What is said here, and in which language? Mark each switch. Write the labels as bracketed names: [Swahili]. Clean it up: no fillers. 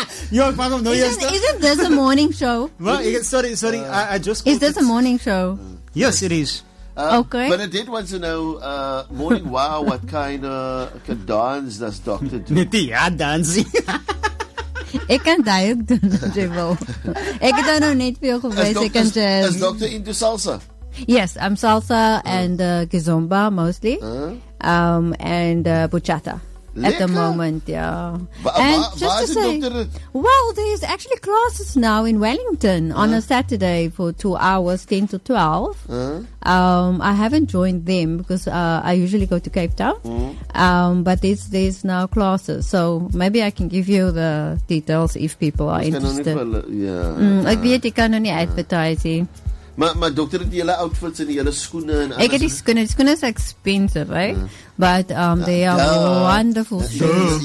[English] Isn't this a morning show? Sorry, I just... Is this a morning show? Yes, it is. Okay. But I did want to know, morning, wow, what kind of dance does doctor do? [Afrikaans] Niti, ja, dance. Ek kan die ook doen, as jy wil. Ek het daar nog net veel gewees, ek kan jazz. [English] Is doctor into salsa? Yes, I'm salsa and kizomba mostly. Bachata at the moment, yeah. There's actually classes now in Wellington on a Saturday for 2 hours, 10 to 12. I haven't joined them because I usually go to Cape Town. But there's now classes, so maybe I can give you the details if people are interested. [Afrikaans] Ek weet, jy kan nie advertise. Maar dokter het die hele outfits en die hele skoene en alles. Ek het die skoene. [English] Die skoene is expensive, right? But they are wonderful shoes.